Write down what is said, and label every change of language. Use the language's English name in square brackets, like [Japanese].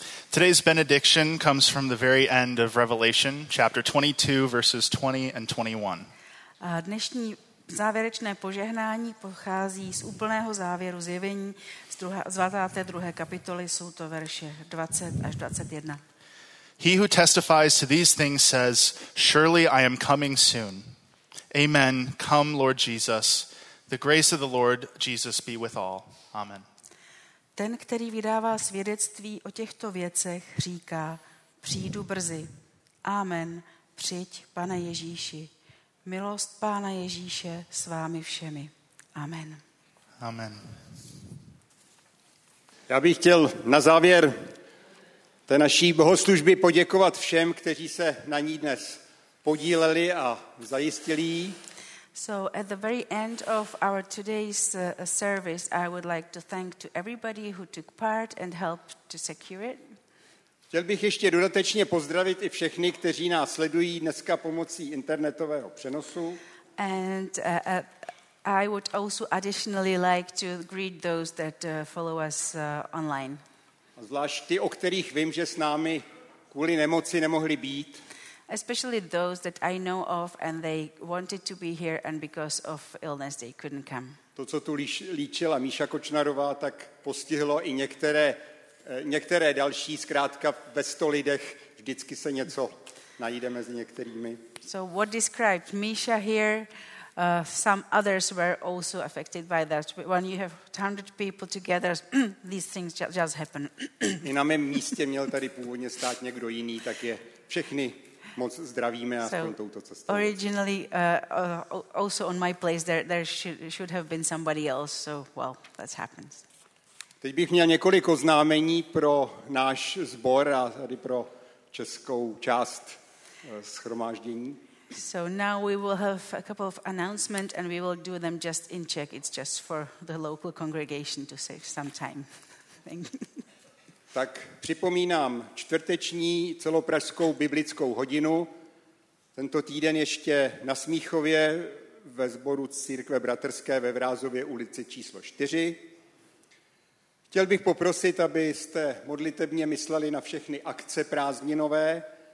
[English] Today's benediction comes from the very end of Revelation, chapter 22, verses 20 and 21. [Czech] Dnešní závěrečné požehnání pochází z úplného závěru zjevení z 22. kapitoly, jsou to verše 20 až 21. [English] He who testifies to these things says, surely I am coming soon. Amen. Come, Lord Jesus. The grace of the Lord Jesus be with all. Amen. [Czech] Ten, který vydává svědectví o těchto věcech, říká, přijdu brzy. Amen. Přijď, Pane Ježíši. Milost Pána Ježíše s vámi všemi. Amen. Amen. Já bych chtěl na závěr té naší bohoslužby poděkovat všem, kteří se na ní dnes podíleli a zajistili. [English] So at the very end of our today's service, I would like to thank to everybody who took part and helped to secure it. [Czech] Chtěl bych ještě dodatečně pozdravit i všechny, kteří nás sledují dneska pomocí internetového přenosu. [English] And I would also additionally like to greet those that follow us online. [Czech] A zvlášť ty, o kterých vím, že s námi kvůli nemoci nemohli být. [English] Especially those that I know of and they wanted to be here and because of illness they couldn't come. [Czech] To, co tu líčila Míša Kočnarová, tak postihlo i některé další, zkrátka ve 100 lidech vždycky se něco najde mezi některými. [English] So what described Misha here, some others were also affected by that. When you have 100 people together, these things just happen. [Czech] I na mém místě měl tady původně stát někdo jiný, tak je všechny moc zdravíme a aspoň touto cestou. [English] Originally, also on my place, there should have been somebody else, so well, that happens. Teď bych měl několik oznámení pro náš sbor a tady pro českou část shromáždění. So now we will have a couple of announcements and we will do them just in Czech. It's just for the local congregation to save some time. Thank you. [Czech] Tak připomínám čtvrteční celopražskou biblickou hodinu. Tento týden ještě na Smíchově ve sboru Církve bratrské ve Vrázově ulici číslo 4. Chtěl bych poprosit, abyste modlitevně mysleli na všechny akce prázdninové.